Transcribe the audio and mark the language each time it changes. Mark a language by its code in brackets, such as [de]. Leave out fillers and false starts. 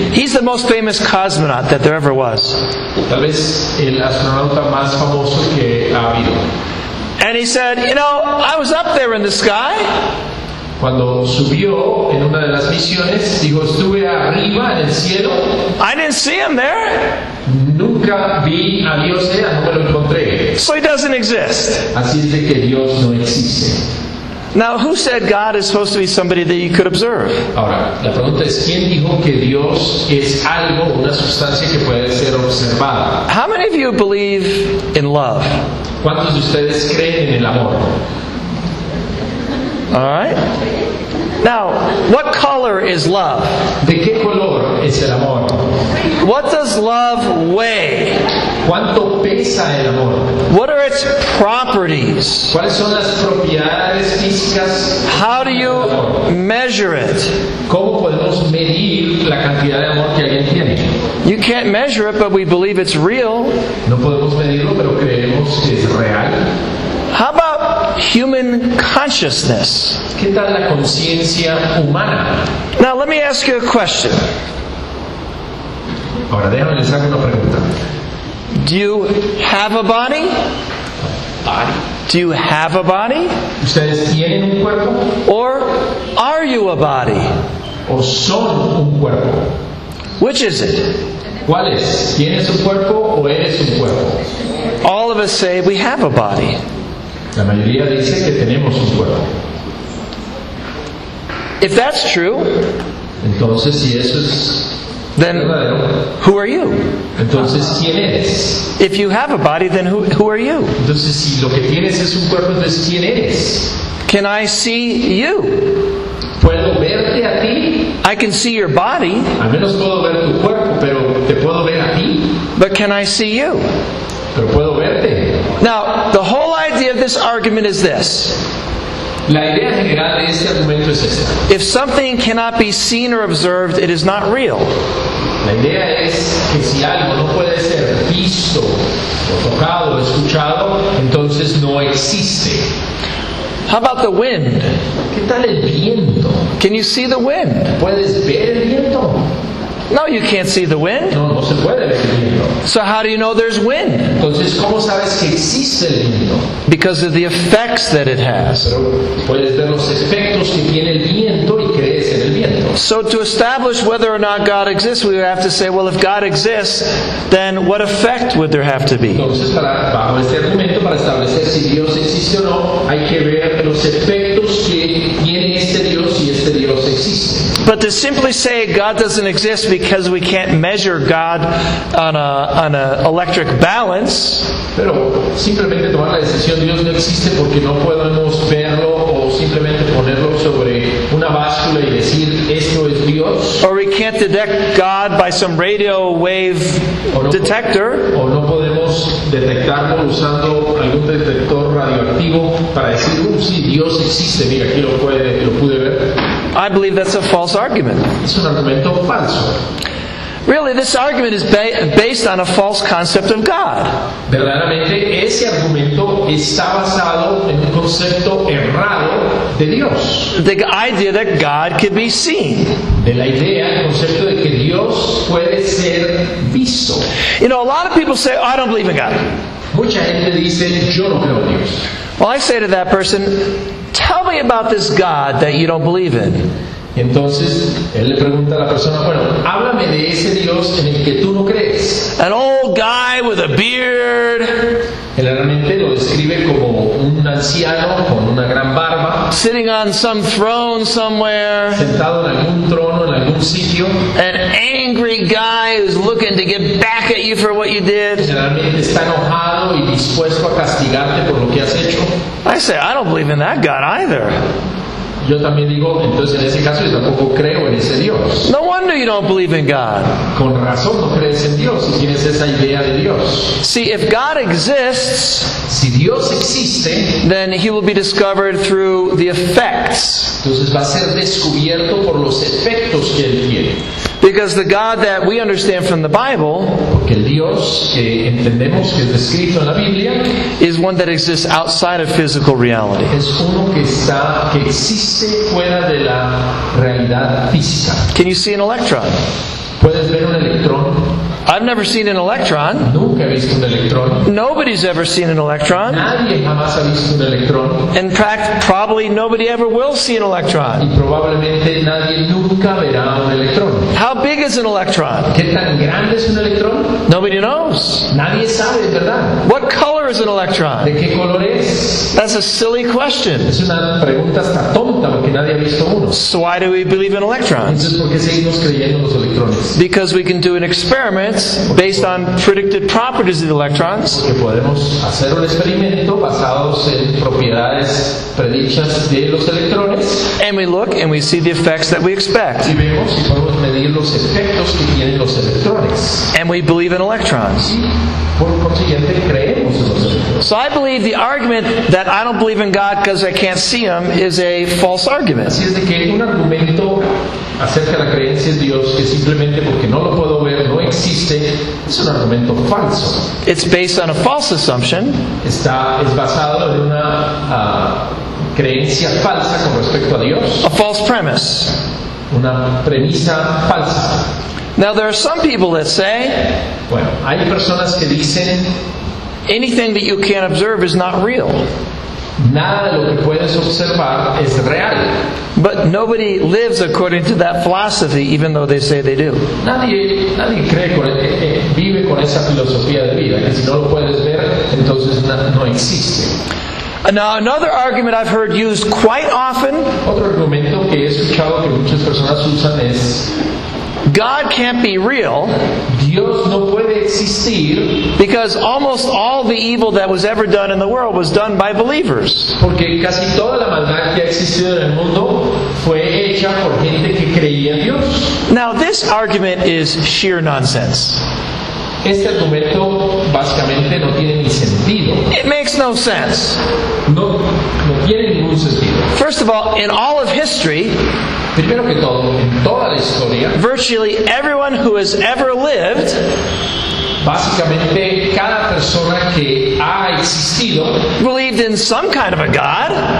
[en] He's the most famous cosmonaut that there ever was. [es] Tal vez el astronauta más famoso que ha habido. [en] And he said, you know, I was up there in the sky. [es] Cuando subió en una de las misiones, dijo, estuve arriba en el cielo. [en] I didn't see him there. [es] Nunca vi a Dios allá, no me lo encontré. [en] So he doesn't exist. [es] Así es de que Dios no existe. [en] Now, who said God is supposed to be somebody that you could observe? [es] Ahora, la pregunta es, ¿quién dijo que Dios es algo, una sustancia que puede ser observada? [en] How many of you believe in love? [es] ¿Cuántos de ustedes creen en el amor? [en] All right. Now, what color is love? [es] ¿De qué color es el amor? [en] What does love weigh? [es] ¿Cuánto pesa el amor? [en] What are its properties? [es] ¿Cuáles son las propiedades físicas? [en] How do you measure it? [es] ¿Cómo podemos medir la cantidad de amor que alguien tiene? [en] You can't measure it, but we believe it's real. [es] No podemos medirlo, pero creemos que es real. [en] How about human consciousness? [es] ¿Qué tal la conciencia humana? [en] Now let me ask you a question. [es] Ahora déjame les hago una pregunta. [en] Do you have a body? Body. Do you have a body? [es] ¿Ustedes tienen un cuerpo? [en] Or are you a body? [es] ¿O son un cuerpo? [en] Which is it? [es] ¿Cuál es? ¿Tienes un cuerpo o eres un cuerpo? [en] All of us say we have a body. [es] La mayoría dice que tenemos un cuerpo. [en] If that's true, [es] entonces si eso es, [en] then who are you? [es] Entonces, ¿quién eres? [en] If you have a body, then who are you? [es] Entonces, si lo que tienes es un cuerpo, entonces, ¿quién eres? [en] Can I see you? [es] ¿Puedo verte a ti? [en] I can see your body. [es] Al menos puedo ver tu cuerpo, pero te puedo ver a ti. [en] But can I see you? [es] Pero puedo verte. [en] Now, the whole idea of this argument is this. [es] La idea general de este argumento es esta. [en] If something cannot be seen or observed, it is not real. [es] La idea es que si algo no puede ser visto, o tocado, o escuchado, entonces no existe. [en] How about the wind? [es] ¿Qué tal el viento? [en] Can you see the wind? [es] ¿Puedes ver el viento? [en] No, you can't see the wind. [es] No, no se puede ver el viento. [en] So how do you know there's wind? [es] Entonces, ¿cómo sabes que existe el viento? [en] Because of the effects that it has. [es] Pero puedes ver los efectos que tiene el viento y crees en el viento. [en] So to establish whether or not God exists, we have to say, well, if God exists, then what effect would there have to be? [es] Entonces, bajo este argumento, para establecer si Dios existe o no, hay que ver los efectos que tiene este Dios y este Dios existe. [en] But to simply say God doesn't exist because we can't measure God on an electric balance. [es] Pero simplemente tomar la decisión Dios no existe porque no podemos verlo, o simplemente ponerlo sobre una báscula y decir esto es Dios. [en] Or we can't detect God by some radio wave detector. [es] O no podemos detectarlo usando algún detector radioactivo para decir sí, Dios existe. Mira, aquí lo pude ver. [en] I believe that's a false argument. [es] Es un argumento falso. [en] Really, this argument is based on a false concept of God. [es] Verdaderamente, ese argumento está basado en un concepto errado de Dios. [en] The idea that God can be seen. [es] De la idea, el concepto de que Dios puede ser visto. [en] You know, a lot of people say, oh, I don't believe in God. [es] Mucha gente dice, yo no creo en Dios. [en] Well, I say to that person, tell me about this God that you don't believe in. [es] Y entonces, él le pregunta a la persona, bueno, háblame de ese Dios en el que tú no crees. [en] An old guy with a beard. [es] Él realmente lo describe como un anciano con una gran barba. [en] Sitting on some throne somewhere. [es] Sentado en algún trono, en algún sitio. [en] An angry guy who's looking to get back at you for what you did. [es] Generalmente está enojado y dispuesto a castigarte por lo que has hecho. [en] I say, I don't believe in that God either. [es] Yo también digo, entonces en ese caso yo tampoco creo en ese Dios. [en] No wonder you don't believe in God. [es] Con razón no crees en Dios si tienes esa idea de Dios. [en] See, if God exists, [es] si Dios existe, [en] then he will be discovered through the effects. [es] Entonces va a ser descubierto por los efectos que él tiene. [en] Because the God that we understand from the Bible, [es] porque el Dios que entendemos que es descrito en la Biblia, [en] is one that exists outside of physical reality. [es] Es uno que está, que existe fuera de la realidad física. [en] Can you see an electron? [es] ¿Puedes ver un electrón? [en] I've never seen an electron. [es] Nunca he visto un electrón. [en] Nobody's ever seen an electron. [es] Nadie jamás ha visto un electrón. [en] In fact, probably nobody ever will see an electron. [es] Y probablemente nadie nunca verá un electrón. [en] How big is an electron? [es] ¿Qué tan grande es un electrón? [en] Nobody knows. [es] Nadie sabe, ¿verdad? [en] What color is an electron? [es] ¿De qué color es? [en] That's a silly question. [es] Es una pregunta hasta tonta porque nadie ha visto uno. [en] So why do we believe in electrons? [es] Entonces, ¿por qué seguimos creyendo en los electrones? [en] Because we can do an experiment based on predicted properties of the electrons. [es] Porque podemos hacer un experimento basado en propiedades predichas de los electrones. [en] And we look and we see the effects that we expect. [es] Y vemos y podemos medir los efectos que tienen los electrones. [en] And we believe in electrons. [es] Por consiguiente, creemos en los electrones. [en] So I believe the argument that I don't believe in God because I can't see him is a false argument. [es] Así es de que un argumento acerca de la creencia en Dios que simplemente porque no lo puedo ver no existe es un argumento falso. [en] It's based on a false assumption. [es] Es basado en una creencia falsa con respecto a Dios. [en] A false premise. [es] Una premisa falsa. [en] Now there are some people that say, [es] bueno, hay personas que dicen, [en] anything that you can't observe is not real. [es] Nada de lo que puedes observar es real. [en] But nobody lives according to that philosophy, even though they say they do. [es] Nadie cree con vive con esa filosofía de vida, que si no lo puedes ver, entonces no existe. [en] Now, another argument I've heard used quite often, [es] otro argumento que he escuchado que muchas personas usan es, [en] God can't be real. [es] Dios no puede existir. [en] Because almost all the evil that was ever done in the world was done by believers. [es] Porque casi toda la maldad que ha existido en el mundo fue hecha por gente que creía en Dios. [en] Now this argument is sheer nonsense. [es] Este argumento básicamente no tiene ni sentido. [en] It makes no sense. [es] No tiene ningún sentido. [en] First of all, in all of history, [es] primero que todo, en toda la historia, [en] virtually everyone who has ever lived, [es] básicamente cada persona que ha existido, [en] believed in some kind of a God,